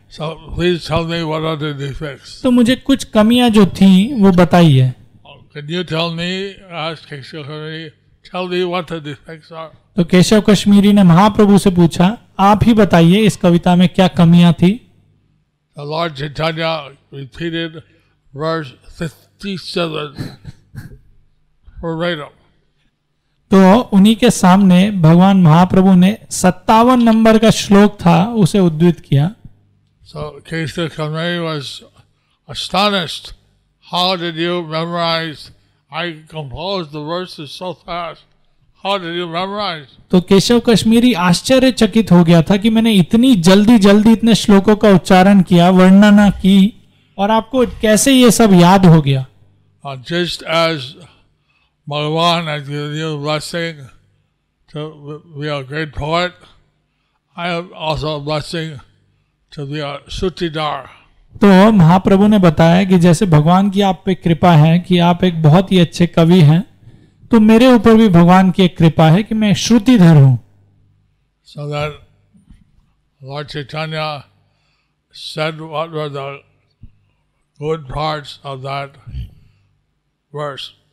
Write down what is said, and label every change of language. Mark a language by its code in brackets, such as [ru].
[en] So please tell me what are the defects. [hi] तो मुझे कुछ कमियां जो थीं वो बताइए. [en] Can you tell me, ask Keshav Kashmiri, tell me what the defects are. [hi] तो केशव कश्मीरी ने महाप्रभु से पूछा, आप ही बताइए इस कविता में क्या कमियां थीं? [en] The Lord Chaitanya repeated verse 57 verbatim. [hi] तो उन्हीं के सामने भगवान महाप्रभु ने 57 नंबर का श्लोक था, उसे उद्धृत किया. [en] So Keshav Kashmiri was astonished. How did you memorize? I composed the verses so fast. How did you memorize? [hi] तो केशव कश्मीरी आश्चर्यचकित हो गया था कि मैंने इतनी जल्दी जल्दी इतने श्लोकों का उच्चारण किया वर्णना की और आपको कैसे ये सब याद हो गया [en] Just as Bhagavan has given you blessing to be a great poet, I am also a blessing. [hi] तो महाप्रभु ने बताया कि जैसे भगवान की आप पे कृपा है कि आप एक बहुत ही अच्छे कवि हैं तो मेरे ऊपर भी भगवान की एक कृपा है कि मैं श्रुतिधर हूं [en] So that Lord Chaitanya said what were the good parts of that verse.